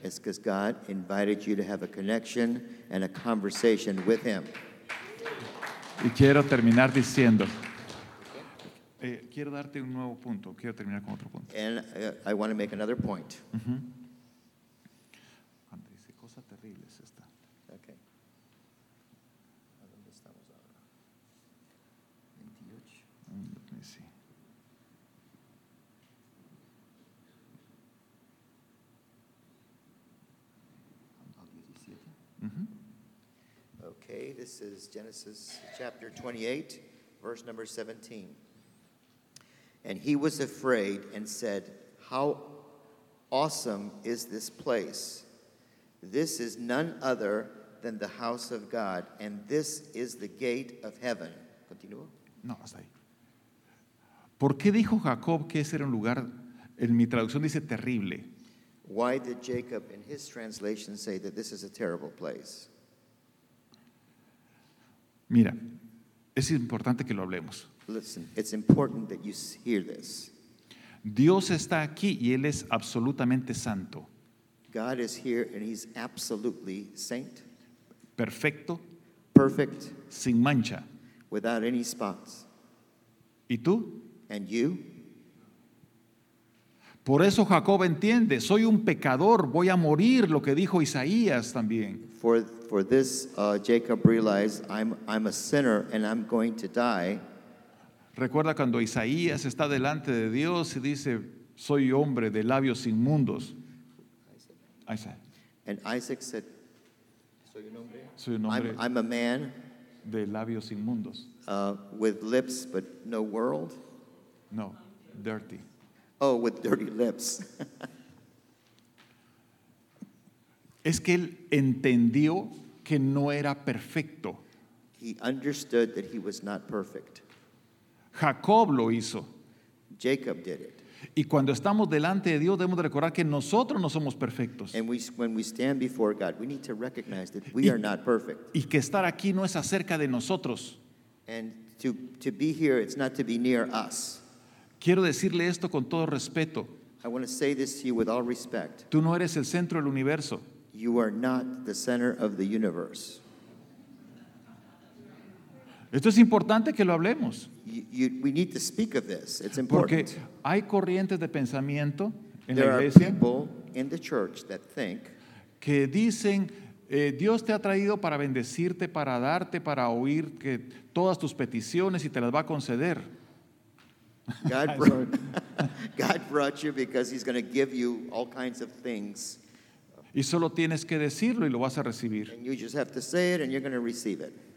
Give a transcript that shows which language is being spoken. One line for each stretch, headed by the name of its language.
English: It's because God invited you to have a connection and a conversation with Him.
Spanish: Y quiero terminar diciendo, quiero darte un nuevo punto, quiero terminar con otro punto.
English: And I want to make another point.
Spanish: Cuando dice cosas terribles esta. Okay. ¿A dónde estamos ahora? 28.
English: Let me see. Okay, this is Genesis chapter 28, verse number 17. And he was afraid and said, "How awesome is this place? This is none other than the house of God, and this is the gate of heaven."
Spanish: Continúo. No, hasta ahí. ¿Por qué dijo Jacob que ese era un lugar? En mi traducción dice terrible.
English: Why did Jacob in his translation say that this is a terrible place?
Spanish: Mira, es importante que lo hablemos.
English: Listen, it's important that you hear this.
Spanish: Dios está aquí y Él es absolutamente santo.
English: God is here and He's absolutely saint.
Spanish: Perfecto.
English: Perfect.
Spanish: Sin mancha.
English: Without any spots.
Spanish: ¿Y tú?
English: And you?
Spanish: Por eso Jacob entiende, soy un pecador, voy a morir, lo que dijo Isaías también.
English: For this, Jacob realized, I'm a sinner and I'm going to die.
Spanish: Recuerda cuando Isaías está delante de Dios y dice, soy hombre de labios inmundos.
English: Isaac. And Isaac said,
Spanish: soy un hombre. Soy un hombre.
English: I'm a man.
Spanish: De labios inmundos.
English: With lips, but no world. No, dirty. Oh, with dirty lips.
Spanish: Es que él entendió que no era perfecto.
English: He understood that he was not perfect.
Spanish: Jacob lo hizo.
English: Jacob did it.
Spanish: Y cuando estamos delante de Dios, debemos de recordar que nosotros no somos perfectos.
English: And when we stand before God, we need to recognize that we are not perfect.
Spanish: Y que estar aquí no es acerca de nosotros.
English: And to be here, it's not to be near us.
Spanish: Quiero decirle esto con todo respeto.
English: I want to say this to you with all respect.
Spanish: Tú no eres el centro del universo.
English: You are not the center of the universe.
Spanish: Esto es importante que lo hablemos.
English: We need to speak of this. It's important.
Spanish: Porque hay corrientes de pensamiento en
English: there
Spanish: la iglesia
English: are people in the church that think
Spanish: que dicen Dios te ha traído para bendecirte, para darte, para oír que todas tus peticiones y te las va a conceder.
English: God brought you because he's going to give you all kinds of things.
Spanish: Y solo tienes que decirlo y lo vas a recibir.
English: And you just have to say it and you're going to receive it.